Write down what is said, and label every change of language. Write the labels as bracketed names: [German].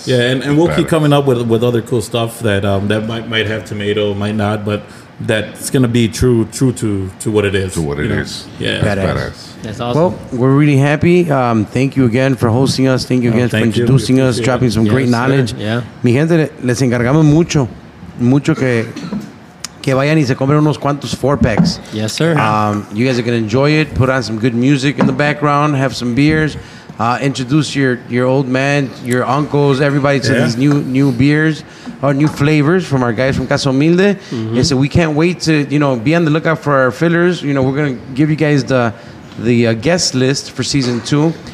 [English] And we'll keep coming up with other cool stuff that that might have tomato, might not, but that's going to be true to what it is. To what it is. Yeah. Badass. That's awesome. Well, we're really happy. Thank you again for hosting us. Thank you again for introducing us, dropping some great knowledge. Yeah. [Spanish] Mi gente, les encargamos mucho que vayan y se compren unos cuantos 4-packs. [English] Yes, sir. You guys are going to enjoy it. Put on some good music in the background. Have some beers. Introduce your old man, your uncles, everybody to these new beers or new flavors from our guys from Casa Humilde. Mm-hmm. And so we can't wait to, you know, be on the lookout for our fillers. You know, we're going to give you guys the guest list for season two.